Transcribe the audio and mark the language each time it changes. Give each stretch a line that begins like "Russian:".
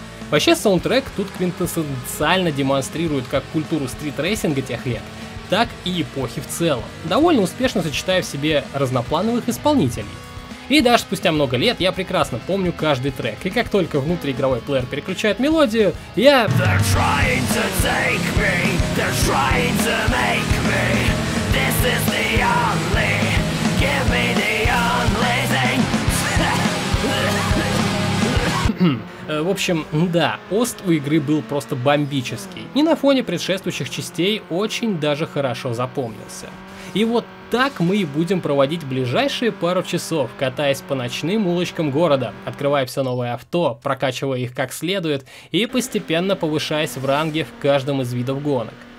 Russian: Вообще саундтрек тут квинтэссенциально демонстрирует как культуру стрит-рейсинга тех лет, так и эпохи в целом, довольно успешно сочетая в себе разноплановых исполнителей. И даже спустя много лет я прекрасно помню каждый трек, и как только внутриигровой плеер переключает мелодию, я...
English: They're trying to take me, they're trying to make me, this is the only, give me the only thing.
Russian: В общем, да, ост у игры был просто бомбический, и на фоне предшествующих частей очень даже хорошо запомнился. И вот так мы и будем проводить ближайшие пару часов, катаясь по ночным улочкам города, открывая все новые авто, прокачивая их как следует и постепенно повышаясь в ранге в каждом из видов гонок.